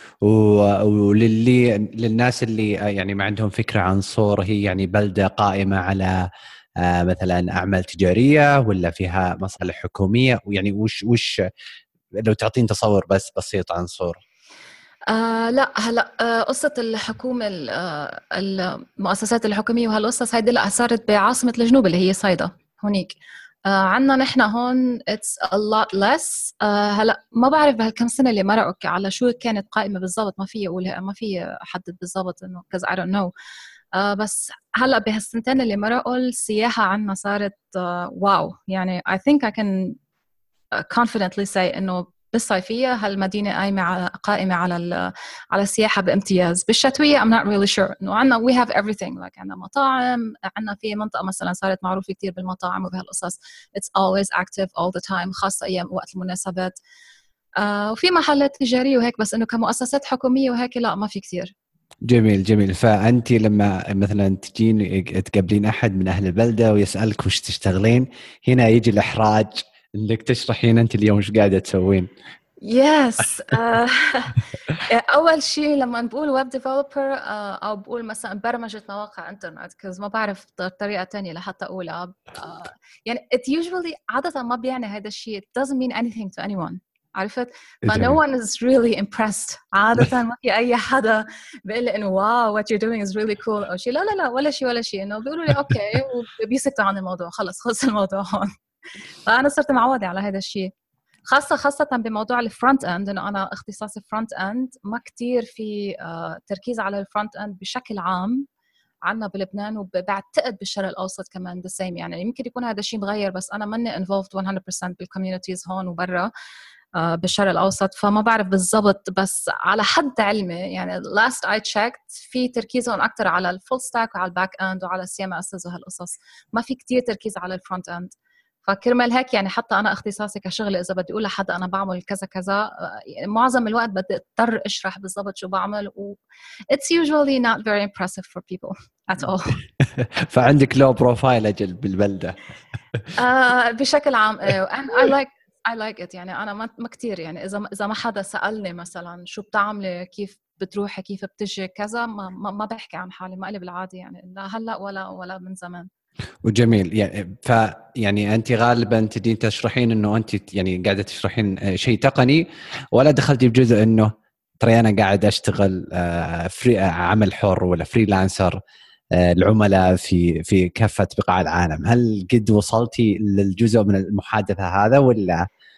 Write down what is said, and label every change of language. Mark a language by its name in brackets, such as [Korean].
[Arabic] وللي للناس اللي يعني ما عندهم فكرة عن صور، هي يعني بلدة قائمة على مثلا أعمال تجارية ولا فيها مصالح حكومية؟ ويعني وش لو تعطين تصور بس بسيط عن صور؟ لا هلا قصة الحكومة، المؤسسات الحكومية وهالقصة هيدي لا، صارت بعاصمة الجنوب اللي هي صيدا هونيك. عنا نحن هون [English] it's a lot less. [Arabic] هلأ ما بعرف بهالكم سنة اللي مرقوا على شو كانت قائمة بالضبط، ما في أقولها، ما في حدد بالضبط إنه [English] cause I don't know. [Arabic] بس هلأ بهالسنتين اللي مرقوا السياحة عنا صارت واو، يعني [English] I think I can confidently say [Arabic] إنه بالصيفية هالمدينة قائمة على السياحة بامتياز. بالشتوية [English] I'm not really sure. [Arabic] عنا [English] we have everything، [Arabic] like عنا مطاعم، عنا في منطقة مثلا صارت معروفة كتير بالمطاعم وبهالقصص، [English] it's always active all the time، [Arabic] خاصة أيام وقت المناسبات. وفي محلات تجارية وهيك، بس إنه كمؤسسات حكومية وهيك لا ما في كتير. جميل جميل. فأنت لما مثلا تجين تقابلين أحد من أهل البلدة ويسألك وش تشتغلين، هنا يجي الإحراج إنك تشرحين أنت اليوم شو قاعدة تسوين. [English] yes. [Arabic] أول شيء لما نقول web developer أو بقول مثلا برمجة مواقع إنترنت، كذا ما بعرف طريقة تانية لحتى أقولها. [English] يعني it usually [Arabic] عادة ما بيعني هذا الشيء، [English] it doesn't mean anything to anyone، عرفت؟ but no one is really impressed. [Arabic] عادة ما في أي حدا بيقول إنه [English] wow what you're doing is really cool [Arabic] أو شيء. لا ولا شيء إنه بيقولوا لي okay وبيسكتوا عن الموضوع، خلص الموضوع هون. فأنا صرت معودة على هذا الشيء، خاصة بموضوع الفرونت أند، إنه أنا اختصاصي فرونت أند، ما كتير في تركيز على الفرونت أند بشكل عام عنا بلبنان، وبعتقد بالشرق الأوسط كمان [English] the same. [Arabic] يعني يمكن يكون هذا الشيء مغير، بس أنا ماني involved 100% بالcommunities هون وبرا بالشرق الأوسط، فما بعرف بالضبط. بس على حد علمي، يعني [English] last I checked، [Arabic] في تركيزهم أكتر على الفول ستاك وعلى الباك أند وعلى CMS وهالقصص، ما في كتير تركيز على الفرونت أند. فكرمال هيك يعني حتى أنا اختصاصي كشغل، إذا بدي أقول لحد أنا بعمل كذا كذا، معظم الوقت بدي أضطر أشرح بالضبط شو بعمل، و [English] it's usually not very impressive for people at all. [Arabic] فعندك low profile أجل بالبلدة. بشكل عام [English] and I like it. [Arabic] يعني أنا ما كتير، يعني إذا ما حدا سألني مثلا شو بتعملي، كيف بتروحي، كيف بتجي كذا، ما بحكي عن حالي، ما قلي بالعادي، يعني لا هلأ ولا من زمان. وجميل. يعني يعني انت غالبا تدين تشرحين انه انت يعني قاعده تشرحين شيء تقني، ولا دخلتي بجزء انه ترى انا قاعد اشتغل عمل حر ولا فريلانسر العملاء في كافه بقاع العالم؟ هل قد وصلتي للجزء من المحادثه هذا ولا